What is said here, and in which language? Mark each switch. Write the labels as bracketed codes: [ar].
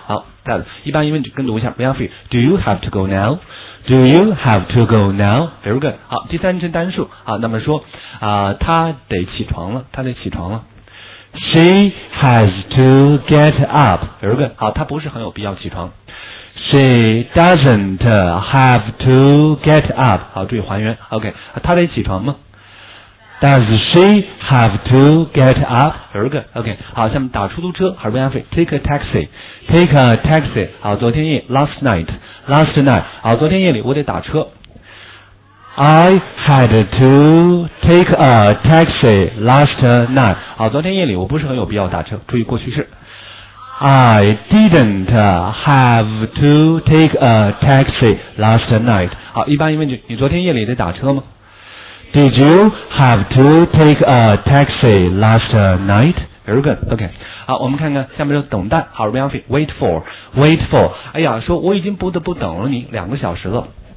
[zh] 好，再来，一般疑问句跟读一下 ，Ryan Fei， [en] Do you have to go now？ Do you have to go now? Very good. [zh] 好，第三人称单数。好，那么说他得起床了，他得起床了。 [en] She has to get up. Very good. [zh] 好，他不是很有必要起床。 [en] She doesn't have to get up. [zh] 好，注意还原。 [en] OK, [zh] 他得起床吗？ [en] Does she have to get up? Very good. OK, [zh] 好，下面打出租车。 [en] 好 ，Ryan Fei, take a taxi. Take a taxi. [zh] 好，昨天夜 , [en] last night. Last night, [zh] 好，昨天夜里我得打车。 [en] I had to take a taxi last night. [zh] 好，昨天夜里我不是很有必要打车，注意过去式。 [en] I didn't have to take a taxi last night. [zh] 好，一般疑问句，你昨天夜里得打车吗？ [en] Did you have to take a taxi last night? Very good, okay. [zh] 好，我们看看下面就等待。 [en] 好 ，Ryan Fei, wait for, wait for。 [zh] 哎呀，说我已经不得不等了你两个小时了。